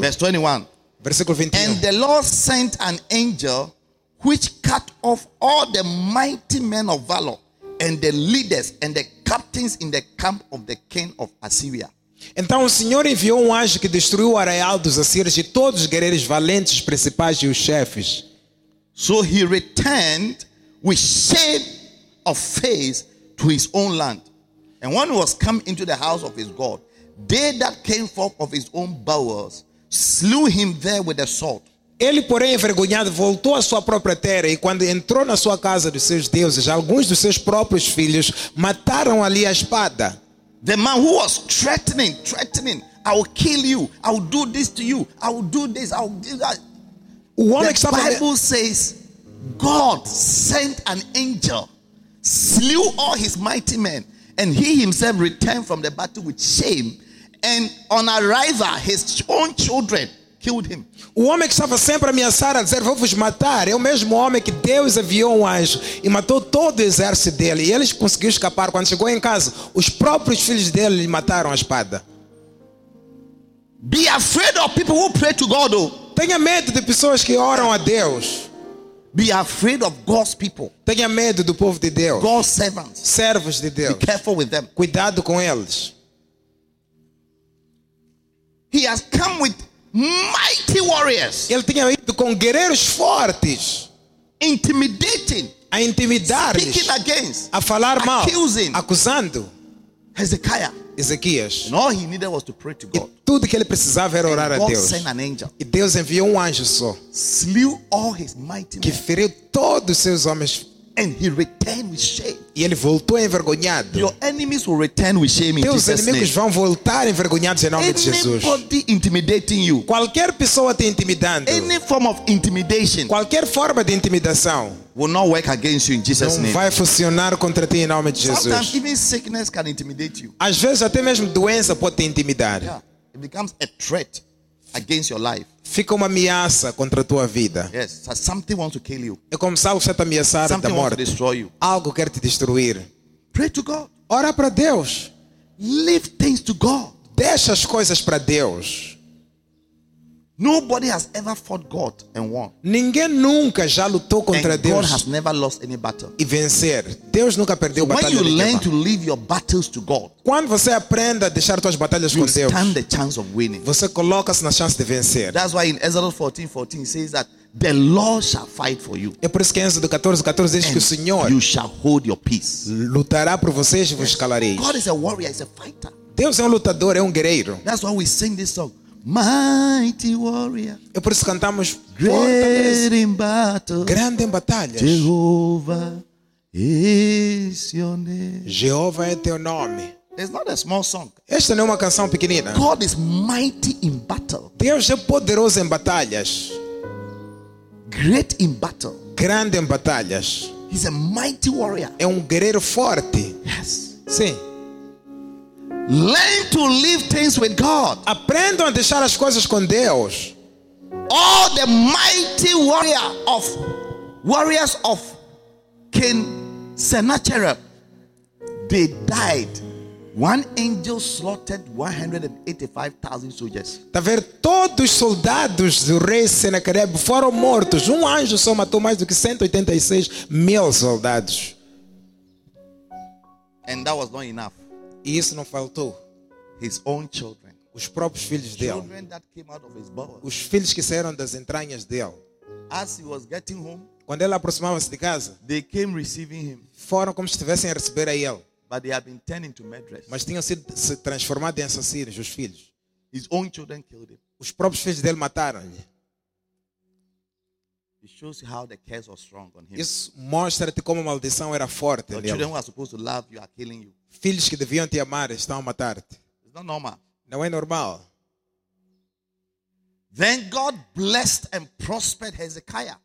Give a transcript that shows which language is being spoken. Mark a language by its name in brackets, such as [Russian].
[English] Verse 21. [Portuguese] Versículo 21. [English] And the Lord sent an angel which cut off all the mighty men of valor and the leaders and the captains in the camp of the king of Assyria. [Portuguese] Então o Senhor enviou um anjo que destruiu o arraial dos assírios e todos os guerreiros valentes, os principais e os chefes. [English] So he returned with shame of face to his own land. And when he was come into the house of his God, they that came forth of his own bowels slew him there with a sword. [Portuguese] Ele, porém, envergonhado, voltou à sua própria terra e quando entrou na sua casa dos seus deuses, alguns dos seus próprios filhos mataram ali a espada. [English] The man who was threatening, I will kill you, I will do this to you, I will do this, I will do that. [Portuguese] O homem [English] the Bible [Portuguese] estava... [English] says, God sent an angel, slew all his mighty men, and he himself returned from the battle with shame, and on arrival, his own children killed him. [Portuguese] O homem que estava sempre a ameaçar, a dizer, vou-vos matar, é o mesmo homem que Deus enviou um anjo e matou todo o exército dele. E ele conseguiu escapar. Quando chegou em casa, os próprios filhos dele lhe mataram a espada. [English] Be afraid of people who pray to God, though. [Portuguese] Tenha medo de pessoas que oram a Deus. [English] Be afraid of God's people. [Portuguese] Tenha medo do povo de Deus. [English] God's servants. [Portuguese] Servos de Deus. [English] Be careful with them. [Portuguese] Cuidado com eles. [English] He has come with mighty warriors. [Portuguese] Ele tinha ido com guerreiros fortes. [English] Intimidating. [Portuguese] A intimidar. [English] Speaking against. [Portuguese] A falar mal. [English] Accusing. [Portuguese] Acusando. [English] Hezekiah. [Portuguese] Ezequias. [English] And all he needed was to pray to God. [Portuguese] E tudo que ele precisava era orar [English] and God [Portuguese] a Deus. [English] Sent an angel. [Portuguese] E Deus enviou um anjo só. [English] Slew all his mighty men. [Portuguese] Que feriu todos os seus homens. [English] And he returned with shame. [Portuguese] E ele voltou envergonhado. [English] Your enemies will return with shame in Jesus' name. [Portuguese] Teus inimigos vão voltar envergonhados em nome [English] Anybody [Portuguese] de Jesus. [English] Anybody intimidating you. [Portuguese] Qualquer pessoa te intimidando. [English] Any form of intimidation. [Portuguese] Qualquer forma de intimidação. [English] Will not work against you in Jesus' name. [Portuguese] Não vai funcionar contra ti em nome de Jesus. [English] Sometimes even sickness can intimidate you. [Portuguese] Às vezes até mesmo doença pode te intimidar. [English] Yeah. It becomes a threat against your life. [Portuguese] Fica uma ameaça contra a tua vida. [English] Yes, so something wants to kill you. [Portuguese] É como se algo te ameaçar [English] something [Portuguese] da morte. [English] Wants to destroy you. [Portuguese] Algo quer te destruir. [English] Pray to God. [Portuguese] Ora para Deus. [English] Leave things to God. [Portuguese] Deixa as coisas para Deus. [English] Nobody has ever fought God and won. [Portuguese] Ninguém nunca já lutou contra [English] and [Portuguese] Deus. [English] God has never lost any battle. [Portuguese] E vencer. Deus nunca perdeu [English] so [Portuguese] batalha [English] when you [Portuguese] nenhuma. [English] Learn to leave your battles to God, [Portuguese] quando você aprende a deixar suas batalhas [English] you [Portuguese] com Deus, [English] stand the chance of winning. [Portuguese] Você coloca-se na chance de vencer. [English] That's why in Exodus 14:14 it says that the Lord shall fight for you. [Portuguese] É por isso que em Êxodo 14:14 diz [English] and [Portuguese] que o Senhor [English] you shall hold your peace. [Portuguese] Lutará por vocês e vos calareis. [English] God is a warrior, he's a fighter. [Portuguese] Deus é lutador, é guerreiro. [English] That's why we sing this song. Mighty warrior. [Portuguese] É por isso que cantamos [English] great in battle, [Portuguese] grande em batalhas. [English] Jehovah is your name. [Portuguese] Jeová é teu nome. [English] It's not a small song. [Portuguese] Esta não é uma canção pequenina. [English] God is mighty in battle. [Portuguese] Deus é poderoso em batalhas. [English] Great in battle. [Portuguese] Grande em batalhas. [English] He's a mighty warrior. [Portuguese] É guerreiro forte. [English] Yes. [Portuguese] Sim. [English] Learn to leave things with God. [Portuguese] Aprendam a deixar as coisas com Deus. [English] All the mighty warrior of warriors of King Sennacherib, they died. One angel slaughtered 185,000 soldiers. [Portuguese] Tá vendo? Todos os soldados do rei Sennacherib foram mortos. Um anjo só matou mais do que 186 mil soldados. [English] And that was not enough. [Portuguese] E isso não faltou. [English] His own children. [Portuguese] Os próprios filhos [English] children [Portuguese] dele. [English] That came out of his bowels. [Portuguese] Os filhos que saíram das entranhas dele. [English] As he was getting home, [Portuguese] quando ele aproximava-se de casa, [English] they came receiving him. [Portuguese] Foram como se estivessem a receber a ele. [English] But they have been turned into murderers. [Portuguese] Mas tinham sido se transformado em assassinos, os filhos. [English] His own children killed him. [Portuguese] Os próprios filhos dele mataram-lhe. [English] It shows how the curse was strong on him. [Portuguese] Isso mostra-te como a maldição era forte nele. [English] Your children were supposed to love you, are killing you. [Portuguese] Filhos que deviam te amar estão a matar-te. [English] It's not normal. [Portuguese] Não é normal. [English] Then God blessed and prospered Hezekiah.